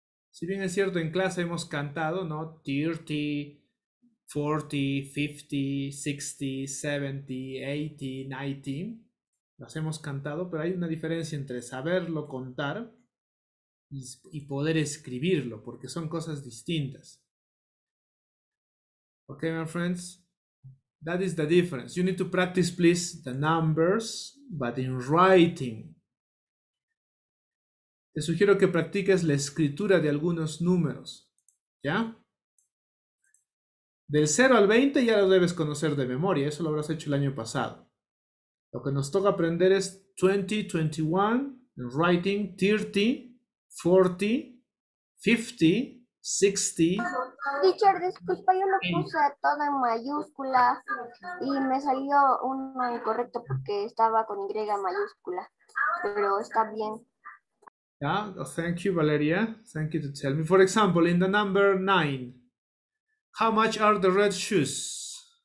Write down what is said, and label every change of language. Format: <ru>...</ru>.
<es>Si bien es cierto, en clase hemos cantado, ¿no? 30, 40, 50, 60, 70, 80, 90. Las hemos cantado, pero hay una diferencia entre saberlo contar y poder escribirlo, porque son cosas distintas.</es> <en>Okay, my friends, that is the difference. You need to practice, please, the numbers, but in writing.</en> <es>Te sugiero que practiques la escritura de algunos números, ¿ya? Del 0 al 20 ya lo debes conocer de memoria, eso lo habrás hecho el año pasado. Lo que nos toca aprender es 20, 21,</es> <en>in writing,</en> <es>30, 40, 50, 60. Teacher, disculpa, yo lo puse todo en mayúscula y me salió uno incorrecto porque estaba con Y mayúscula, pero está bien.</es> <en>Yeah, thank you, Valeria. Thank you to tell me. For example, in the number 9, how much are the red shoes?</en>